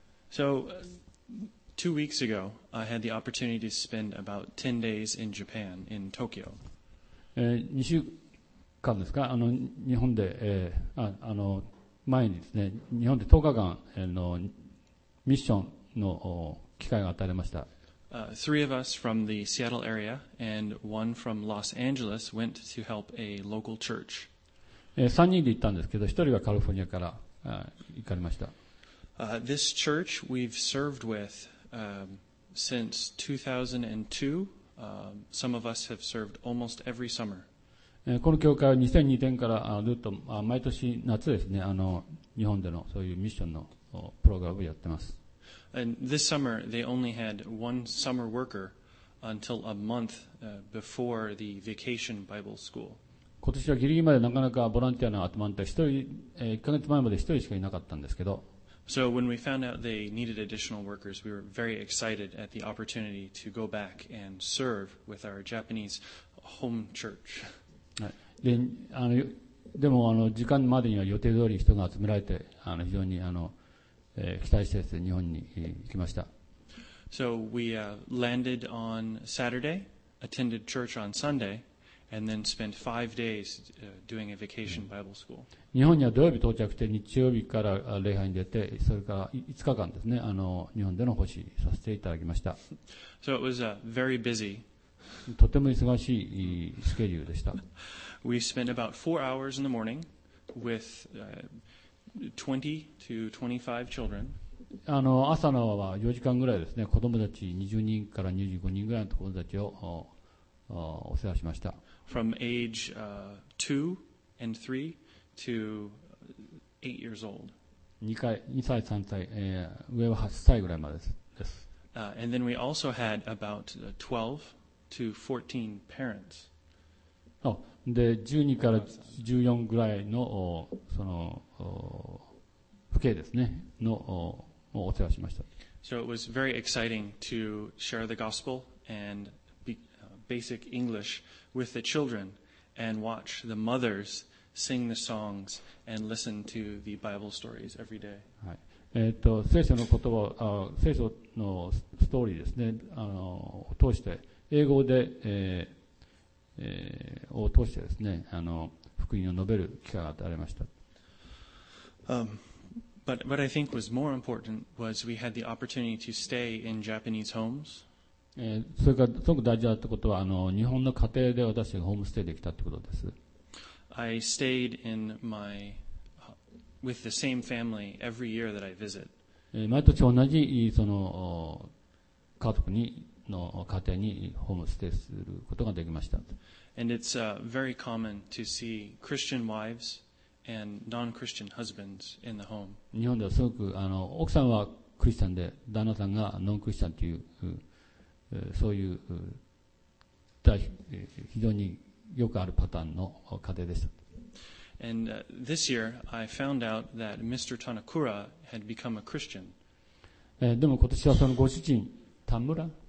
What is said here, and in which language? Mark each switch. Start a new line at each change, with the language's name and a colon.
English: So 2 weeks ago I had the opportunity to spend about 10 days in Japan in Tokyo。
Japanese: 2週間ですか、日本で、前にですね、日本で10日間、のミッションの機会が与えられました。
English: 3 of us from the Seattle area and one from Los Angeles went to help a local church。
Japanese: 3人で行ったんですけど、1人はカリフォルニアから行かれました。
English: This church we've served with since 2002、some of us have served almost every summer。
Japanese: この教会は2002年からずっと毎年夏ですね、日本でのそういうミッションのプログラムをやってます。
English: And this summer they only had one summer worker until a month before the vacation Bible school。
Japanese: 今年はギリギリまでなかなかボランティアの集まって、1ヶ月前まで1人しかいなかったんですけど、
English: So when we found out they needed additional workers we were very excited at the opportunity to go back and serve with our Japanese home church。
Japanese: はい、で、でも時間までには予定通り人が集められて、非常に期待してですね、日本に行きました。
English: So we landed on Saturday, attended church on Sunday, and then spent five days doing a vacation Bible school.
Japanese: 日本には土曜日到着して、日曜日から礼拝に出て、それから5日間ですね、日本での奉仕させていただきました。
English: So it was very busy.
Japanese: とても忙しいスケジュールでした。
English: We spent about 4 hours in the morning with 20 to 25 children.
Japanese: 朝のは4時間ぐらいですね、子供たち20人から25人ぐらいの子供たちを お世話しました。
English: From age 2 and 3 to 8 years old.
Japanese: 2歳、3歳、上は8歳ぐらいまでです。
English: And then we also had about 12 to 14 parents.
Japanese: で、12から14ぐらいの、その、父兄ですね、の、お世話しました。
English: So it was very exciting to share the gospel and basic English with the children and watch the mothers sing the songs and listen to the Bible stories every day.
Japanese: はい。聖書の言葉、聖書のストーリーですね。通して英語で、を通してですね、福音を述べる機会がありました。
English: But what I think was more important was we had the opportunity to stay in Japanese homes.
Japanese: それがすごく大事だったことは、日本の家庭で私たちがホームステイできたってことです。
English: I stayed in my with the same family every year that I visit.
Japanese: 毎年同じその家族にの家庭にホームステイすることができました。
English: And it's very common to see Christian wives. And non-Christian husbands in the home.
Japanese: 日本ではすごく奥さんはクリスチャンで旦那さんがノンクリスチャンという、そういう大、非常によくあるパターンの家庭でした。
English: And this year I found out that Mr. Tanakura had become a Christian.
Japanese: でも今年はそのご主人田村